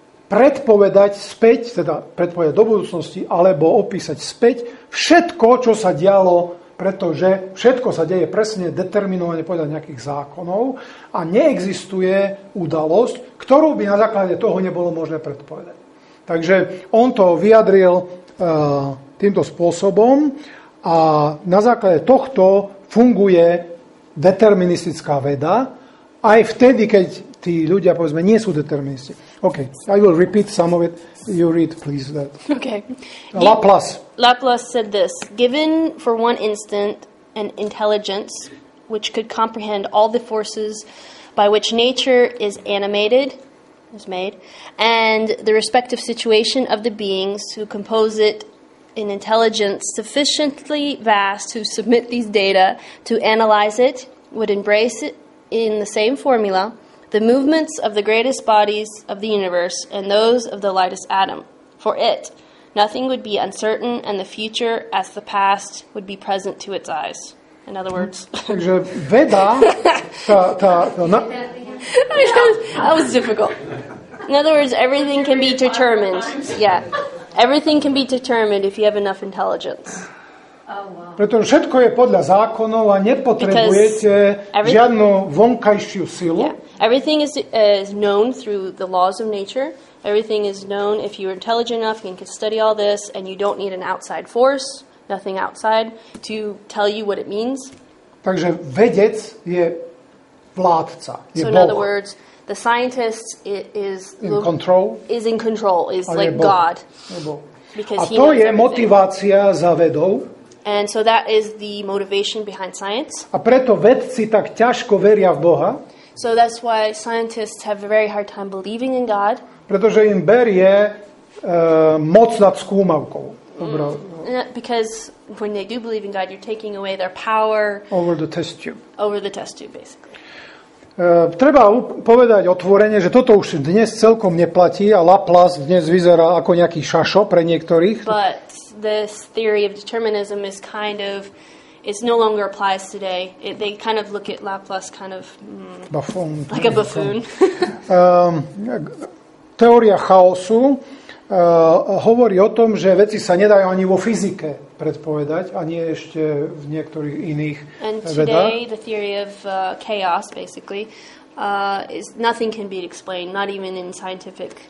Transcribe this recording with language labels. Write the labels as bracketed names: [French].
[Slovak] predpovedať späť, teda predpovedať do budúcnosti, alebo opísať späť všetko, čo sa dialo, pretože všetko sa deje presne determinovane podľa nejakých zákonov a neexistuje udalosť, ktorú by na základe toho nebolo možné predpovedať. Takže on to vyjadril týmto spôsobom a na základe tohto funguje deterministická veda aj vtedy, keď tí ľudia, povedzme, nie sú deterministi. [English] Okay, I will repeat some of it. You read, please, that. Okay. Laplace said this. Given for one instant an intelligence which could comprehend all the forces by which nature is animated, is made, and the respective situation of the beings who compose it, an intelligence sufficiently vast to submit these data to analyze it, would embrace it in the same formula, the movements of the greatest bodies of the universe and those of the lightest atom. For it, nothing would be uncertain and the future as the past would be present to its eyes. In other words... [Slovak] Takže veda... [English] That was difficult. In other words, everything can be determined. Yeah. Everything can be determined if you have enough intelligence. [Slovak] Pretože všetko je podľa zákonov a nepotrebujete žiadnu vonkajšiu silu. [English] Yeah. Everything is known through the laws of nature. Everything is known if you're intelligent enough and can study all this and you don't need an outside force, nothing outside to tell you what it means. [Slovak] Takže vedec je vládca, je [English] Boh. So in other words, the scientist is in control, [Slovak] a [English] like [Slovak] je [English] God. [Slovak] Because a to je motivácia za vedou. [English] And so that is the motivation behind science. [Slovak] A preto vedci tak ťažko veria v Boha. [English] So that's why scientists have a very hard time believing in God. [Slovak] Pretože im berie moc nad skúmavkou. [English] Because when they do believe in God, you're taking away their power over the test tube. Over the test tube, basically. [Slovak] Treba povedať otvorene, že toto už dnes celkom neplatí a Laplace dnes vyzerá ako nejaký šašo pre niektorých. [English] But this theory of determinism is kind of it's no longer applies today. They kind of look at Laplace kind of buffoon. Like a buffoon. [Slovak] Teória chaosu hovorí o tom, že veci sa nedajú ani vo fyzike predpovedať, ani ešte v niektorých iných vedách. [English] And today, the theory of chaos, basically, is nothing can be explained, not even in scientific.